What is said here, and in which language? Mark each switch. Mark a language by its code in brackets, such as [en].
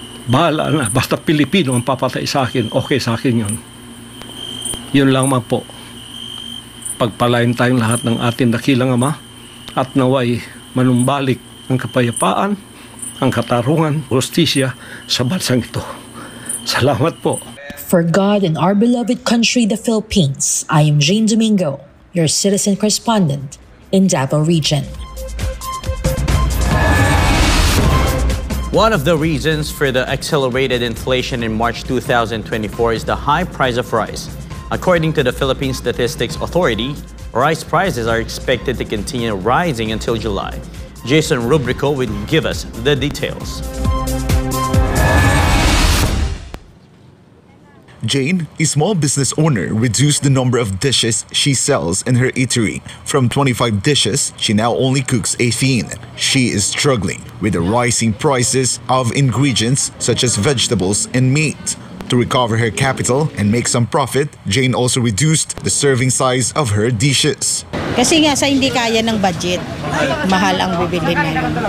[tl] Bahala na, basta Pilipino ang papatay sa akin, okay sa akin yun. Yun lang man po. Pagpalain tayong lahat ng ating dakilang Ama at naway manumbalik ang kapayapaan, ang katarungan, hustisya sa bansang ito. Salamat po. [en] For God and our beloved country, the Philippines, I am Jane Domingo, your citizen correspondent in Davao Region. One of the reasons for the accelerated inflation in March 2024 is the high price of rice. According to the Philippine Statistics Authority, rice prices are expected to continue rising until July. Jason Rubrico will give us the details. Jane, a small business owner, reduced the number of dishes she sells in her eatery. From 25 dishes, she now only cooks 18. She is struggling with the rising prices of ingredients such as vegetables and meat. To recover her capital and make some profit, Jane also reduced the serving size of her dishes. [tl] Kasi nga sa hindi kaya ng budget, mahal ang bibili ngayon.